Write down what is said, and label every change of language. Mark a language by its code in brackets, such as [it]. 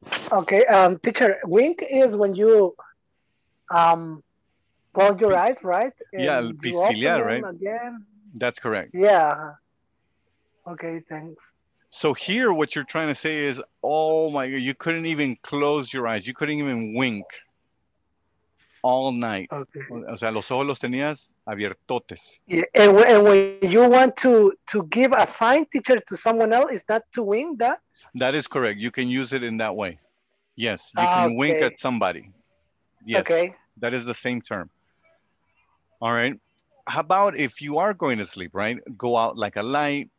[en] Okay, teacher, wink is when you close your eyes, right? And yeah, pispilear, right? Again. That's correct. Yeah. Okay, thanks. So here, what you're trying to say is, oh my God, you couldn't even close your eyes. You couldn't even wink all night. Okay. [es] O sea, los ojos los tenías abiertotes. [en] Yeah, and when you want to give a sign, teacher, to someone else, is that to wink that? That is correct. You can use it in that way. Yes, you can wink at somebody. Yes, okay. That is the same term. All right. How about if you are going to sleep, right? Go out like a light.